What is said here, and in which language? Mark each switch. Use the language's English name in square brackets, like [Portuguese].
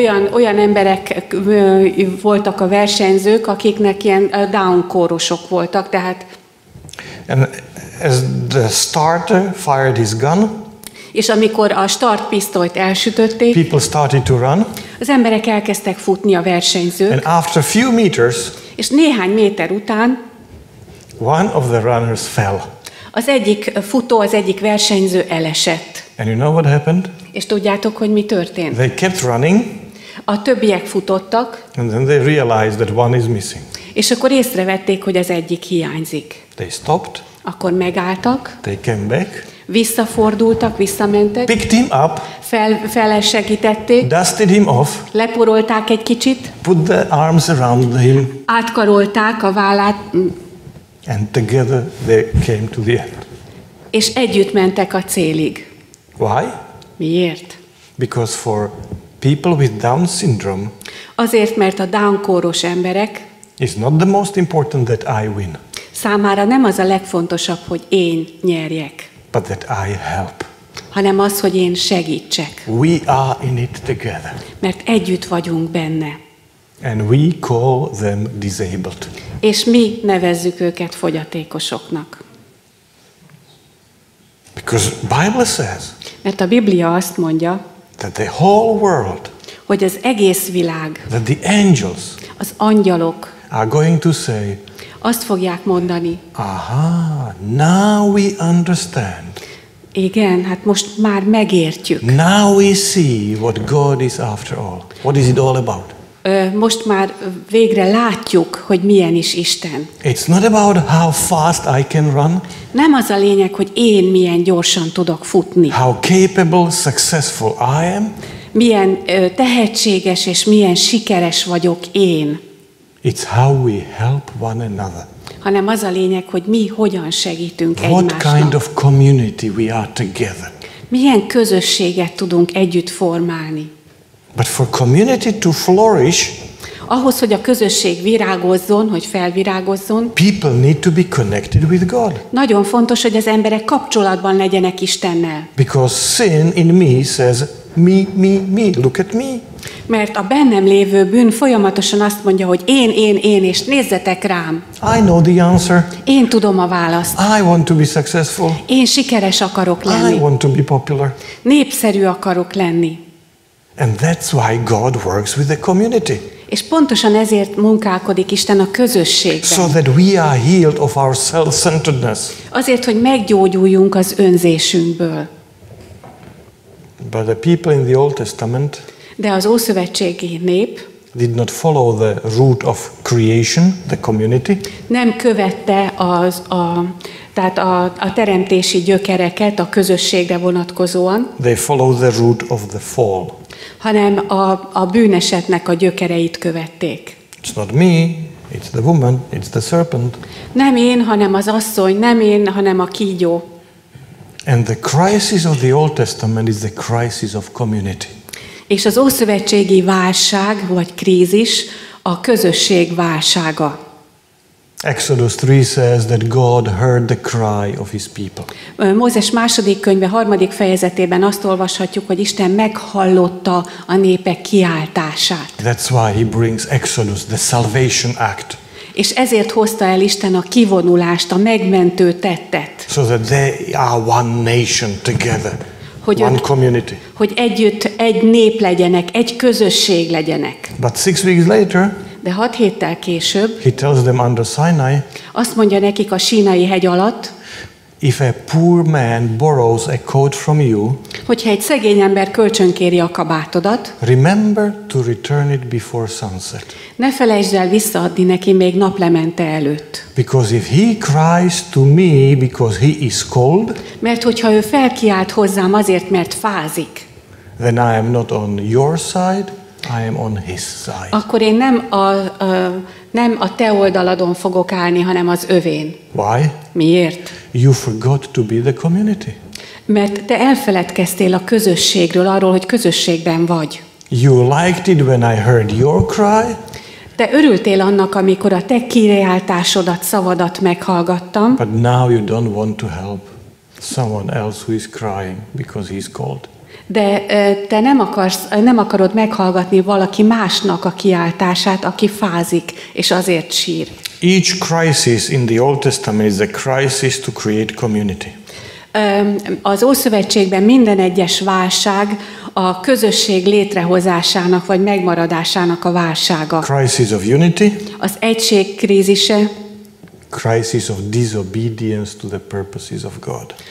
[Hungarian] Olyan emberek voltak a versenyzők, akiknek ilyen down kórosok voltak, tehát. [English] And as the starter fired his gun. [Hungarian] És amikor a start pisztolyt elsütötték. [English] People started to run. [Hungarian] Az emberek elkezdtek futni a versenyzők. [English] And after a few meters. [Hungarian] És néhány méter után. [English] One of the runners fell. [Hungarian] Az egyik futó, az egyik versenyző elesett. [English] And you know what happened? [Hungarian] És tudjátok, hogy mi történt? [English] They kept running. [Hungarian] A többiek futottak. [English] And then they realized that one is missing. [Hungarian] És akkor észrevették, hogy az egyik hiányzik. [English] They stopped. [Hungarian] Akkor megálltak. [English] They came back. [Hungarian] Visszafordultak, visszamentek. [English] Picked him up. [Hungarian] Felsegítették. [English] Dusted him off. [Hungarian] Leporolták egy kicsit. [English] Put the arms around him. [Hungarian] Átkarolták a vállát. [English] And together they came to the end. [Hungarian] És együtt mentek a célig. [English] Why? [Hungarian] Miért? [English] Because for people with Down syndrome. [Hungarian] Azért, mert a Down-kóros emberek. [English] It's not the most important that I win. [Hungarian] Számára nem az a legfontosabb, hogy én nyerjek. [English] But that I help. [Hungarian] Hanem az, hogy én segítsek. [English] We are in it together. [Hungarian] Mert együtt vagyunk benne. [English] And we call them disabled. [Hungarian] És mi nevezzük őket fogyatékosoknak. [English] Because Bible says. [Hungarian] Mert a Biblia azt mondja. [English] That the whole world. [Hungarian] Hogy az egész világ. [English] That the angels. [Hungarian] Az angyalok. [English] Are going to say. [Hungarian] Azt fogják mondani. [English] Aha, now we understand. [Hungarian] Igen, hát most már megértjük. [English] Now we see what God is after all. What is it all about? [Hungarian] Most már végre látjuk, hogy milyen is Isten. [English] It's not about how fast I can run. [Hungarian] Nem az a lényeg, hogy én milyen gyorsan tudok futni. [English] How capable, successful I am. [Hungarian] Milyen tehetséges és milyen sikeres vagyok én. [English] It's how we help one another. [Hungarian] Hanem az a lényeg, hogy mi hogyan segítünk egymásnak. [English] What kind of community we are together. [Hungarian] Milyen közösséget tudunk együtt formálni. [English] But for community to flourish, [Hungarian] ahhoz, hogy a közösség virágozzon, hogy felvirágozzon, [English] people need to be connected with God. [Hungarian] Nagyon fontos, hogy az emberek kapcsolatban legyenek Istennel. [English] Because sin in me says me, look at me. [Hungarian] Mert a bennem lévő bűn folyamatosan azt mondja, hogy én, és nézzetek rám. [English] I know the answer. [Hungarian] Én tudom a választ. [English] I want to be successful. [Hungarian] Én sikeres akarok lenni. [English] I want to be popular. [Hungarian] Népszerű akarok lenni. [English] And that's why God works with the community. [Hungarian] És pontosan ezért munkálkodik Isten a közösségben. [English] So that we are healed of our self-centeredness. [Hungarian] Azért, hogy meggyógyuljunk az önzésünkből. [English] But the people in the Old Testament. [Hungarian] De az ószövetségi nép. [English] Did not follow the root of creation, the community. [Hungarian] Nem követte az a tehát a teremtési gyökereket a közösségre vonatkozóan. [English] They follow the root of the fall. [Hungarian] Hanem a bűnesetnek a gyökereit követték. [English] It's not me, it's the woman, it's the serpent. [Hungarian] Nem én, hanem az asszony, nem én, hanem a kígyó. [English] And the crisis of the Old Testament is the crisis of community. [Hungarian] És az ószövetségi válság vagy krízis a közösség válsága. [English] Exodus 3 says that God heard the cry of his people. [Hungarian] Mózes második könyve harmadik fejezetében azt olvashatjuk, hogy Isten meghallotta a népek kiáltását. [English] That's why he brings Exodus, the salvation act. [Hungarian] És ezért hozta el Isten a kivonulást, a megmentő tettet. [English] So that they are one nation together. [Hungarian] Hogy [English] one community. [Hungarian] Hogy együtt egy nép legyenek, egy közösség legyenek. [English] But 6 weeks later, [Hungarian] de 6 héttel később, [English] he tells them under Sinai, [Hungarian] azt mondja nekik a Sínai hegy alatt, [English] if a poor man borrows a coat from you, [Hungarian] hogyha egy szegény ember kölcsönkéri a kabátodat, [English] remember to return it before sunset. [Hungarian] Ne felejtsd el visszaadni neki még naplemente előtt. [English] Because if he cries to me because he is cold, [Hungarian] mert hogyha ő felkiált hozzám azért, mert fázik, [English] then I am not on your side, I am on his side. [Hungarian] Akkor én nem a te oldaladon fogok állni, hanem az övén. [English] Why? [Hungarian] Miért? [English] You forgot to be the community. [Hungarian] Mert te elfeledkeztél a közösségről, arról, hogy közösségben vagy. [English] You liked it when I heard your cry. [Hungarian] Te örültél annak, amikor a te kiáltásodat, szavadat meghallgattam. [English] But now you don't want to help someone else who is crying because he's cold. [Hungarian] De te nem akarod meghallgatni valaki másnak a kiáltását, aki fázik és azért sír. [English] Each crisis in the Old Testament is a crisis to create community. [Hungarian] Az Ószövetségben minden egyes válság a közösség létrehozásának vagy megmaradásának a válsága. [English] Crisis of unity. [Hungarian] Az egység krízise. [English] Crisis of disobedience to the purposes of God.